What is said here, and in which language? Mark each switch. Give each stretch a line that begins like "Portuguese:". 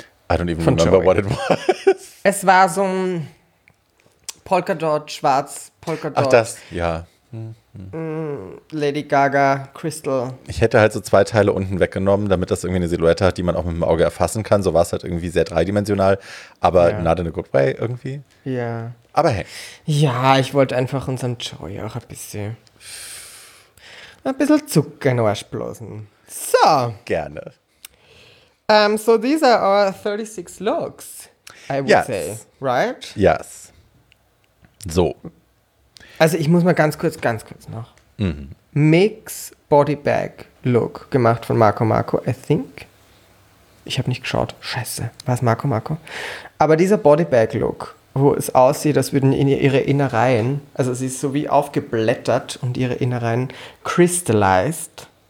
English: I don't even remember what it was.
German: Es war so ein Polkadot, schwarz, Polkadot. Ach das, ja. Lady Gaga, Crystal. Ich hätte halt so zwei Teile unten weggenommen, damit das irgendwie eine Silhouette hat, die man auch mit dem Auge erfassen kann. So war es halt irgendwie sehr dreidimensional, aber
English: not in a good way
German: irgendwie. Ja. Aber hey. Ja, ich wollte einfach unserem Joey auch ein bisschen Zucker in den Arsch blasen. So. Gerne.
English: So these are our 36 looks, I would say, right? Yes. So.
German: Also ich muss mal ganz kurz noch. Mm-hmm. Mix Body Bag Look gemacht von Marco, I think. Ich habe nicht geschaut. Scheiße, war es Marco? Aber dieser Body Bag Look, wo es aussieht, als würden in ihre Innereien, also sie ist so wie aufgeblättert und ihre Innereien crystallized.